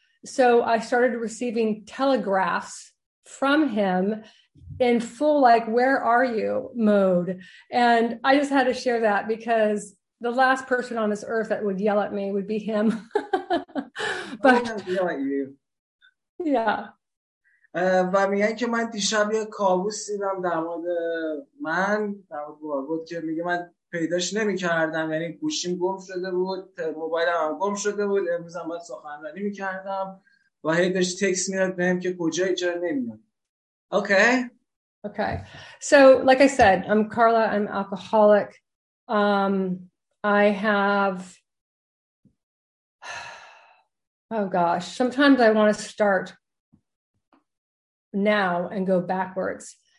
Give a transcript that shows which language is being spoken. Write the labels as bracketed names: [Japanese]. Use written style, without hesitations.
[English] So I started receiving telegraphs from him in full, like, where are you mode. And I just had to share that because the last person on this earth that would yell at me would be him. But I'm gonna yell at you. Yeah. [Persian] و میگن که من دیشب یه کابوس دیدم در مورد من، در مورد بارگود، که میگه من پیداش نمی کردم، یعنی گوشیم گم شده بود، موبایلم هم گم شده بود، امروز هم باید سخنرانی می کردم و هی داشت تکس میاد به هم که کجای جا نمیاد. [English] Okay. Okay. So like I said, I'm Carla, I'm alcoholic. I have, oh gosh, sometimes I want to start now and go backwards.